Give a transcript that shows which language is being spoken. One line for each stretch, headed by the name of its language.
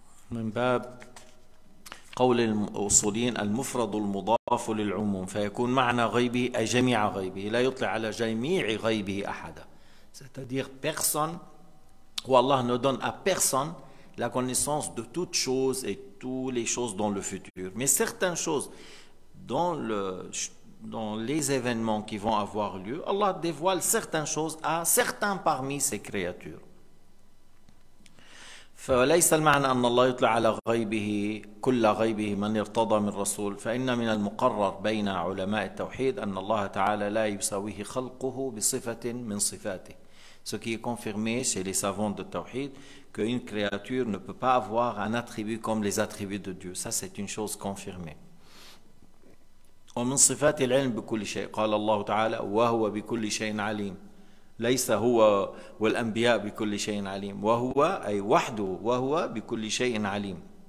Arabic: من باب قول الأصوليين المفرد المضاف للعموم، فيكون معنى غيبه أي جميع غيبه، لا يطلع على جميع غيبه أحدا.
French: C'est-à-dire personne, où Allah ne donne à personne la connaissance de toutes choses et toutes les choses dans le futur. Mais certaines choses dans les événements qui vont avoir lieu, Allah dévoile certaines choses à certains parmi ses créatures.
Arabic: فليس المعنى أن الله يطلع على غيبه كل غيبه من ارتضى من رسول، فإن من المقرر بين علماء التوحيد أن الله تعالى لا يساويه خلقه بصفة من صفاته.
French: Ce qui est confirmé chez les savants de Tawhid qu'une créature ne peut pas avoir un attribut comme les attributs de Dieu. Ça c'est une chose confirmée.
Arabic: ومن صفات العلم بكل شيء قال الله تعالى وهو بكل شيء عليم. ليس هو والأنبياء بكل شيء عليم، وهو أي وحده وهو بكل شيء عليم.